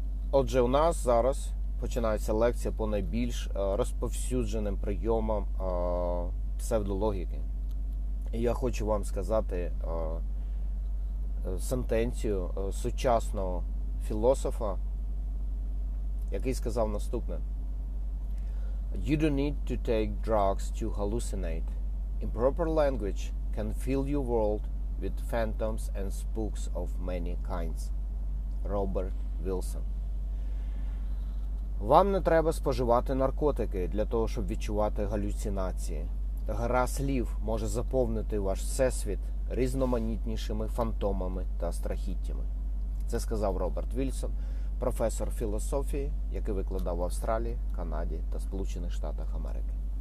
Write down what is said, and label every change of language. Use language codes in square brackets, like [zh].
[uk] Отже, у нас зараз починається лекція по найбільш розповсюдженим прийомам псевдологіки. І я хочу вам сказати сентенцію сучасного філософа, який сказав наступне. [en] You don't need to take drugs to hallucinate. Improper language can fill your world with phantoms and spooks of many kinds. [uk] Роберт Вілсон. Вам не треба споживати наркотики для того, щоб відчувати галюцинації. Гра слів може заповнити ваш всесвіт різноманітнішими фантомами та страхіттями. Це сказав Роберт Вілсон, професор філософії, який викладав в Австралії, Канаді та Сполучених Штатах Америки.